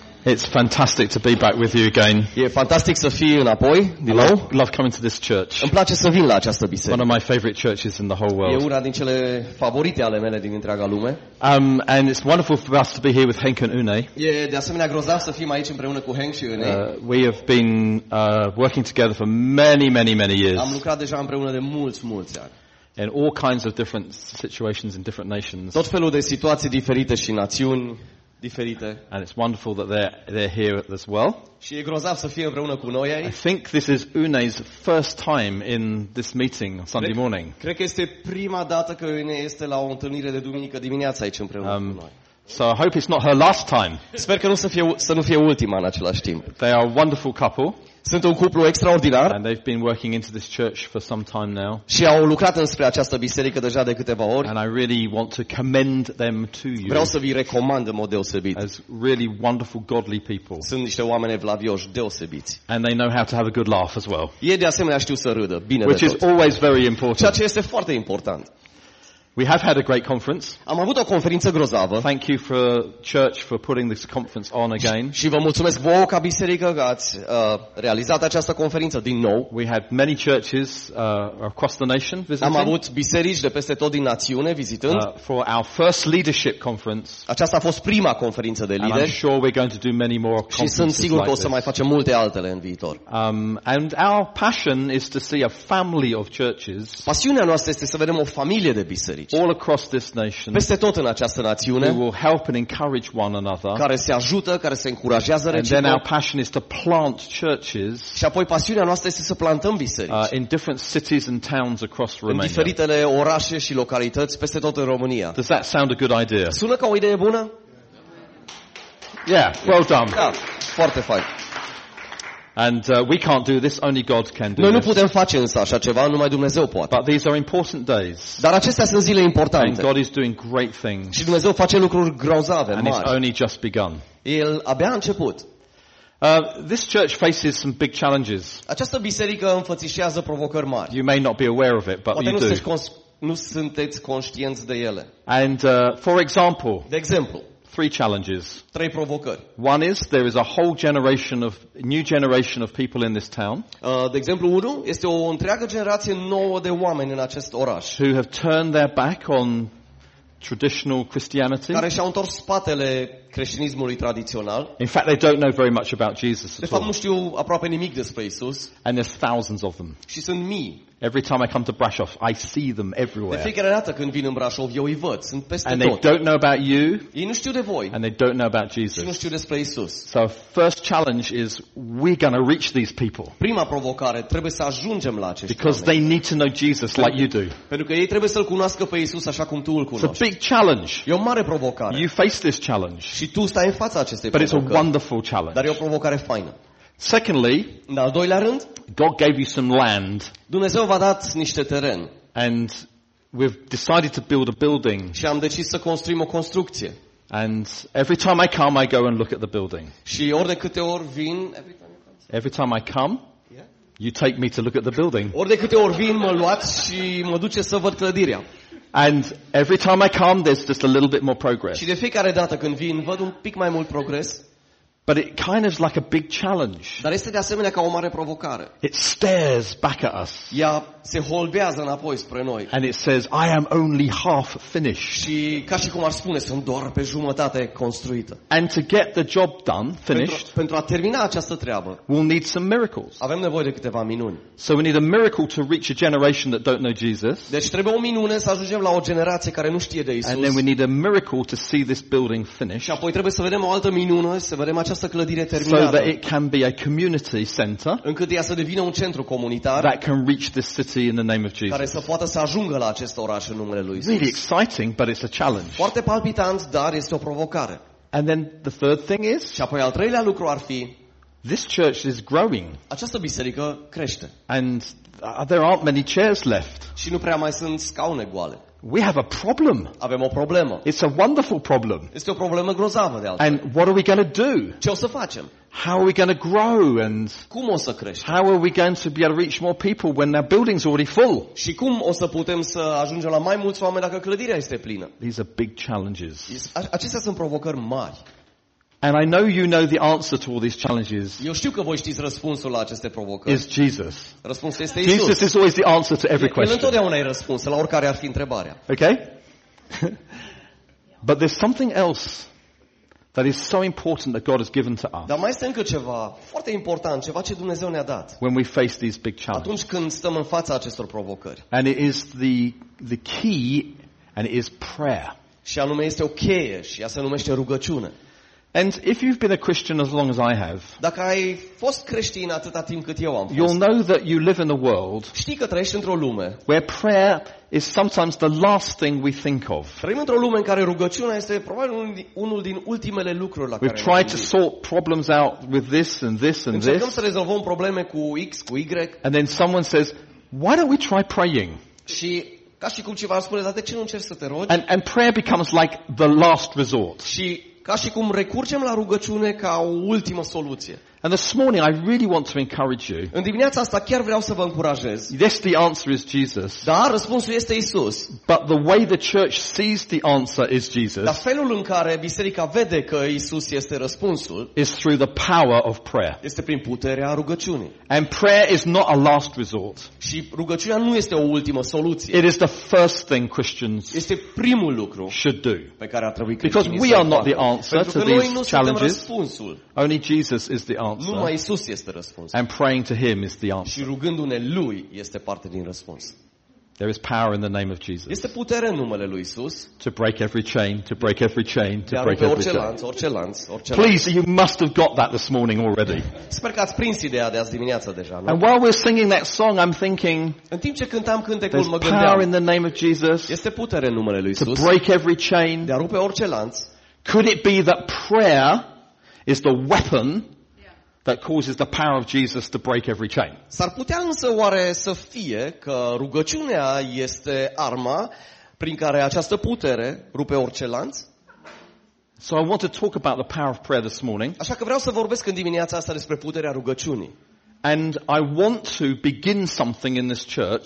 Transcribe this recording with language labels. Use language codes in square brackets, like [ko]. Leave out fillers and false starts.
[en] It's fantastic to be back with you again. [ro] E fantastic să fiu înapoi din nou. [en] I love coming to this church. [ro] Îmi place să vin la această biserică. [en] One of my favorite churches in the whole world. [ro] E una din cele favorite ale mele din întreaga lume. [en] And it's wonderful for us to be here with Henk and Une. [ro] E de asemenea grozav să fim aici împreună cu Henk și Une. [en] We have been working together for many, many, many years. [ro] Am lucrat deja împreună de mulți, mulți ani. [en] In all kinds of different situations in different nations. [ro] Tot felul de situații diferite și națiuni diferite. [en] And it's wonderful that they're here as well. [ro] Și e grozav să fie împreună cu noi. [en] I think this is Une's first time in this meeting on Sunday morning. [ro] Cred că este prima dată că Une este la o întâlnire de duminică dimineața aici împreună cu noi. [en] So I hope it's not her last time. [ro] Sper că nu să nu fie ultima în același timp. [en] They are a wonderful couple. [ro] Sunt un cuplu extraordinar. [en] And they've been working into this church for some time now. [ro] Și au lucrat înspre această biserică deja de câteva ori. [en] And I really want to commend them to you. [ro] Vreau să vi recomand în mod deosebit. [en] As really wonderful godly people. [ro] Sunt niște oameni evlavioși deosebiți. [en] And they know how to have a good laugh as well. [ro] Ei de asemenea știu să râdă, bine. [en] Which is always very important. [ro] Ceea ce este foarte important. [en] We have had a great conference. [ro] Am avut o conferință grozavă. [en] Thank you for church for putting this conference on again. [ro] Și vă mulțumesc vouă ca biserică că ați realizat această conferință din nou. [en] We had many churches across the nation visiting. [ro] Am avut biserici de peste tot din națiune vizitând. [en] For our first leadership conference. [ro] Aceasta a fost prima conferință de lideri. [en] And I'm sure we're going to do many more conferences. [ro] Și sunt sigur like că o să mai facem multe altele în viitor. [en] And our passion is to see a family of churches. [ro] Pasiunea noastră este să vedem o familie de biserici. [en] All across this nation. [ro] Peste tot în această națiune. [en] We will help and encourage one another. [ro] Care se ajută, care se încurajează reciproc. [en] And then our passion is to plant churches. [ro] Și apoi pasiunea noastră este să plantăm biserici. [en] In different cities and towns across Romania. [ro] În diferitele orașe și localități peste tot în România. [en] Does that sound a good idea? [ro] Sună ca o idee bună? [en] Yeah, well done. [ro] Da, foarte fain. [en] And we can't do this, only God can do it. [ro] Noi nu putem face însă așa ceva, numai Dumnezeu poate. [en] But these are important days. [ro] Dar acestea sunt zile importante. [en] And God is doing great things. [ro] Și Dumnezeu face lucruri grozave, mari. [en] And it's only just begun. [ro] El abia a început. [en] This church faces some big challenges. [ro] Această biserică înfățișează provocări mari. [en] You may not be aware of it, but [ro] poate [en] you do. [ro] Nu sunteți conștienți de ele. [en] And for example. [ro] De exemplu. [en] Three challenges. [ro] Trei provocări. [en] One is there is a whole generation of new generation of people in this town. [ro] De exemplu, unul este o întreagă generație nouă de oameni în acest oraș. [en] Who have turned their back on traditional Christianity. [ro] Care și-au întors spatele creștinismului tradițional. [en] In fact, they don't know very much about Jesus at all. [ro] De fapt, nu știu aproape nimic despre Isus. [en] And there's thousands of them. [ro] Și sunt mii. [en] Every time I come to Brașov, I see them everywhere. [ro] De fiecare dată când vin în Brașov, eu îi văd, sunt peste tot. [en] And they don't know about you. [ro] Ei nu știu de voi. [en] And they don't know about Jesus. [ro] Și nu știu despre Isus. [en] So first challenge is we're going to reach these people. [ro] Prima provocare, trebuie să ajungem la acești oameni. [en] Because they need to know Jesus like you do. [ro] Pentru că ei trebuie să-l cunoască pe Isus așa cum tu îl cunoști. [en] It's a big challenge. [ro] E o mare provocare. [en] You face this challenge. [ro] Și tu stai în fața acestei provocări. [en] But it's a wonderful challenge. [ro] Dar e o provocare faină. [en] Secondly, [ro] în al doilea rând, [en] God gave you some land. [ro] Dumnezeu v-a dat niște teren. [en] And we've decided to build a building. [ro] Și am decis să construim o construcție. [en] And every time I come, I go and look at the building. [ro] Și ori de câte ori vin, [en] every time I come, you take me to look at the building. [ro] Ori de câte ori vin, mă luați și mă duceți să văd clădirea. [en] And every time I come, there's just a little bit more progress. [ro] Și de fiecare dată când vin, văd un pic mai mult progres. [en] But it kind of is like a big challenge. [ro] Dar este de asemenea ca o mare provocare. [en] It stares back at us. [ro] Ea se holbează înapoi spre noi. [en] And it says, I am only half finished. [ro] Și ca și cum ar spune, sunt doar pe jumătate construită. [en] And to get the job done, finished, [ro] pentru a termina această treabă, [en] we'll need some miracles. [ro] Avem nevoie de câteva minuni. [en] So we need a miracle to reach a generation that don't know Jesus. [ro] Deci trebuie o minune să ajungem la o generație care nu știe de Isus. [en] And then we need a miracle to see this building finished. [ro] Și apoi trebuie să vedem o altă minună, să vedem această clădire terminată. [en] So that it can be a community center. [ro] Încât ea să devină un centru comunitar. [en] That can reach this city in the name of Jesus. [ro] Care să poată să ajungă la acest oraș în numele lui Isus. [en] Really exciting, but it's a challenge. [ro] Foarte palpitant, dar este o provocare. [en] And then the third thing is. [ro] Și apoi al treilea lucru ar fi. [en] This church is growing. [ro] Această biserică crește. [en] And there aren't many chairs left. [ro] Și nu prea mai sunt scaune goale. [en] We have a problem. [ro] Avem o problemă. [en] It's a wonderful problem. [ro] Este o problemă grozavă de altfel. [en] And what are we going to do? [ro] Ce o să facem? [en] How are we going to grow and [ro] cum o să creștem? [en] How are we going to be able to reach more people when our building's already full? [ro] Și cum o să putem să ajungem la mai mulți oameni dacă clădirea este plină? [en] These are big challenges. [ro] Acestea sunt provocări mari. [en] And I know you know the answer to all these challenges. [ro] Eu știu că voi știți răspunsul la aceste provocări. [en] Is Jesus. [ro] Răspunsul este Isus. [en] Jesus is always the answer to every question. [ro] El întotdeauna e răspunsul la oricare ar fi întrebarea. [en] Okay? But there's something else that is so important that God has given to us. [ro] Dar mai este încă ceva foarte important, ceva ce Dumnezeu ne-a dat. [en] When we face these big challenges. [ro] Atunci când stăm în fața acestor provocări. [en] And it is the key, and it is prayer. [ro] Și anume este o cheie și ea se numește rugăciune. [en] And if you've been a Christian as long as I have, [ro] dacă ai fost creștin atâta timp cât eu am fost, [en] you'll know that you live in a world, [ro] știi că trăiești într-o lume, [en] where prayer is sometimes the last thing we think of. [ro] Trăim într-o lume în care rugăciunea este probabil unul din ultimele lucruri la care [en] we've tried to sort problems out with this and this and this. [ro] Încercăm să rezolvăm probleme cu X, cu Y. [en] And then someone says, "Why don't we try praying?" [ro] Și ca și cum cineva spune, dar de ce nu încerci să te rogi? [en] And prayer becomes like the last resort. [ro] Și ca și cum recurgem la rugăciune ca o ultimă soluție. [en] And this morning I really want to encourage you. [ro] În dimineața asta chiar vreau să vă încurajez. [en] Yes, the answer is Jesus. [ro] Da, răspunsul este Isus. [en] But the way the church sees the answer is Jesus. [ro] Dar felul în care biserica vede că Isus este răspunsul [en] is through the power of prayer. [ro] Este prin puterea rugăciunii. [en] And prayer is not a last resort. [ro] Și rugăciunea nu este o ultimă soluție. [en] It is the first thing Christians [ro] este primul lucru [en] should do. [ro] Pe care ar trebui creștinii [en] Because we are not the answer to these challenges. [ro] Pentru că noi nu suntem răspunsul. [en] Only Jesus is the answer. [ro] Numai Isus este răspunsul. [en] And praying to him is the answer. [ro] Și rugându-ne lui este parte din răspuns. [en] There is power in the name of Jesus. [ro] Este putere în numele lui Isus. [en] To break every chain, to break every chain, to break every [ro] orice lanț, orice lanț, orice lanț. [en] Please, you must have got that this morning already. [ro] Sper că ați prins ideea de azi dimineață deja, nu? [en] And while we're singing that song, I'm thinking. [ro] În timp ce cântam cântecul, mă gândeam. [en] Power in the name of Jesus. [ro] Este putere în numele lui Isus. [en] To break every chain. [ro] De a rupe orice lanț. [en] Could it be that prayer is the weapon that causes the power of Jesus to break every chain? [ro] S-ar putea însă oare să fie că rugăciunea este arma prin care această putere rupe orice lanț? [en] So I want to talk about the power of prayer this morning. [ro] Așa că vreau să vorbesc în dimineața asta despre puterea rugăciunii. [en] And I want to begin something in this church.